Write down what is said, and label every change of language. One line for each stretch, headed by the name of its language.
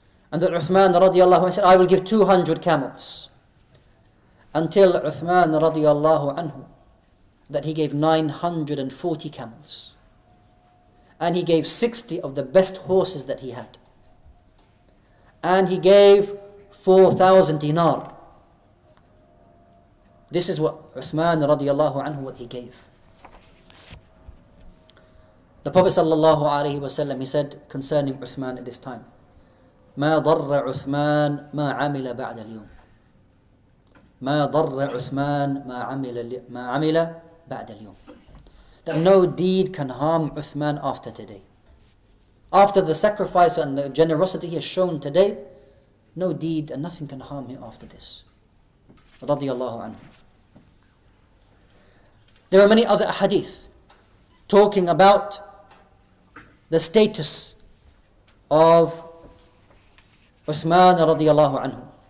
English: And that Uthman radiallahu anhu said, "I will give 200 camels. Until Uthman radiallahu anhu, that he gave 940 camels. And he gave 60 of the best horses that he had. And he gave 4,000 dinar. This is what Uthman radiallahu anhu, what he gave. The Prophet sallallahu alaihi wasallam, he said concerning Uthman at this time,
Arabic: مَا ضَرَّ عثمان مَا عَمِلَ بَعْدَ الْيُومِ
English: مَا ضَرَّ عثمان مَا عَمِلَ بَعْدَ الْيُومِ. That no deed can harm Uthman after today. After the sacrifice and the generosity he has shown today, no deed and nothing can harm him after this.
Arabic: رضي الله عنه.
English: There are many other hadith talking about the status of Uthman radiallahu anhu.